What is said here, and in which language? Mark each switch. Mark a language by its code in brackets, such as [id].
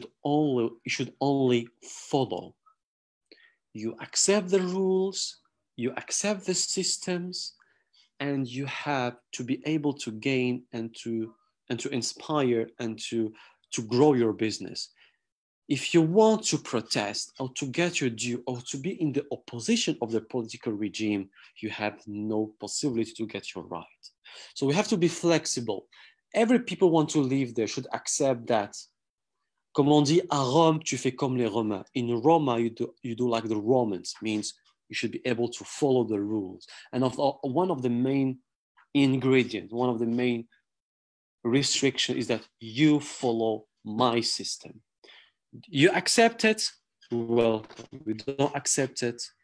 [en] You should only follow. You accept the rules, you accept the systems, and you have to be able to gain and to inspire and to grow your business. If you want to protest or to get your due or to be in the opposition of the political regime, you have no possibility to get your right. So we have to be flexible. Every people want to live there should accept that. [fr] Comme on dit, à Rome, tu fais comme les Romains. [en] In Roma, you do like the Romans, means you should be able to follow the rules. And one of the main ingredients, one of the main restrictions is that you follow my system. You accept it? Well, we don't accept it.